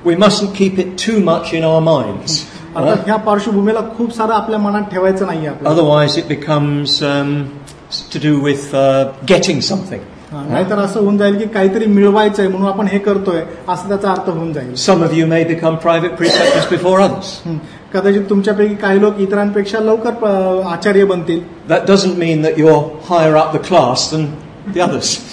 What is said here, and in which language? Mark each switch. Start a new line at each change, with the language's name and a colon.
English: We mustn't keep it too much in our minds.
Marathi: आता ह्या पार्श्वभूमीला खूप सारं आपल्या मनात ठेवायचं नाही आपल्याला.
English: Otherwise it becomes to do with getting something.
Marathi: नाहीतर असं होऊन जाईल की काहीतरी मिळवायचंय म्हणून आपण हे करतोय असं त्याचा अर्थ होऊन जाईल.
English: Some of you may become private preceptors before others.
Marathi: कदाचित तुमच्यापैकी काही लोक इतरांपेक्षा लवकर आचार्य बनतील.
English: That doesn't mean that you are higher up the class than the others.